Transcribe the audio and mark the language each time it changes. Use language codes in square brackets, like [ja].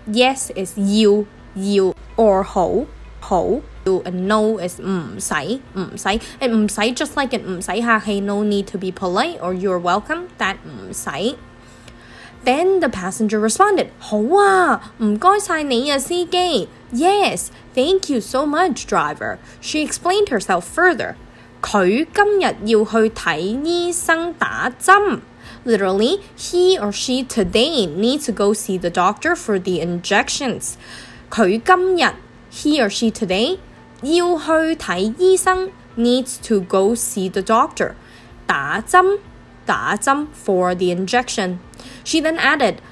[en] Yes is [yue] 要要 [en] or [yue] 好好 [en] you, and no is [yue] 唔使唔使 [en] and 唔使 just like an [yue] 唔使客气 [en] no need to be polite or you're welcome that 唔使 Then the passenger responded, [yue] 好啊，唔该晒你啊，司机 [en] Yes, thank you so much, driver. She explained herself further. [yue] 佢今日要去睇医生打针。 [en] Literally, he or she today needs to go see the doctor for the injections. [yue] 佢今日 [en] he or she today, [yue] 要去睇医生 [en] needs to go see the doctor. [yue] 打针打针 [en] for the injection. She then added,